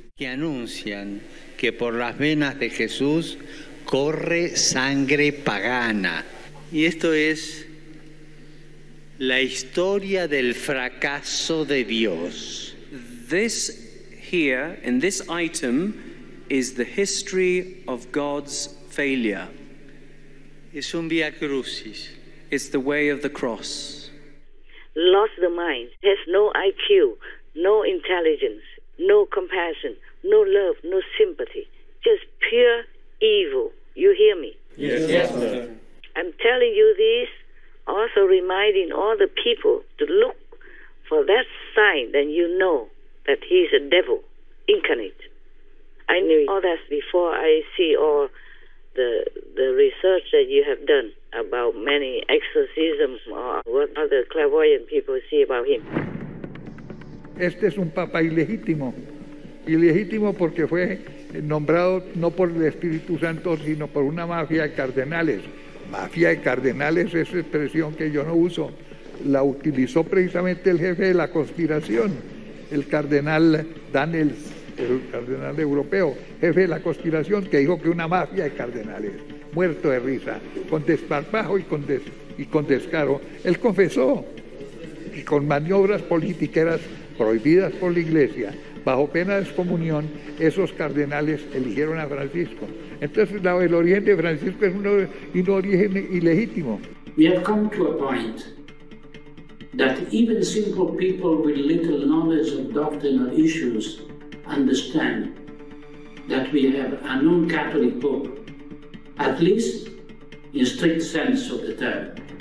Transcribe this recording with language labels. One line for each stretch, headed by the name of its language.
Spanish: Que anuncian que por las venas de Jesús corre sangre pagana. Y esto es la historia del fracaso de Dios.
English: This here, in this item, is the history of God's failure.
Spanish: Es un via crucis.
English: It's the way of the cross. Lost the mind, has no IQ. No intelligence, no compassion, no love, no sympathy. Just pure evil. You hear me? Yes, Master. I'm telling you this, also reminding all the people to look for that sign, then you know that he's a devil incarnate. I knew all that before I see all the research that you have done about many exorcisms or what other clairvoyant people see about him.
Spanish: Este es un papa ilegítimo. Ilegítimo porque fue nombrado no por el Espíritu Santo, sino por una mafia de cardenales. Mafia de cardenales es expresión que yo no uso. La utilizó precisamente el jefe de la conspiración, el cardenal Daniels, el cardenal europeo, jefe de la conspiración, que dijo que una mafia de cardenales, muerto de risa, con desparpajo y con descaro. Él confesó que con maniobras políticas prohibidas por la iglesia, bajo pena de excomunión, esos cardenales eligieron a Francisco. Entonces, el origen de Francisco es un origen ilegítimo.
English: We have come to a point that even simple people with little knowledge of doctrinal issues understand that we have a non-Catholic Pope, at least in strict sense of the term.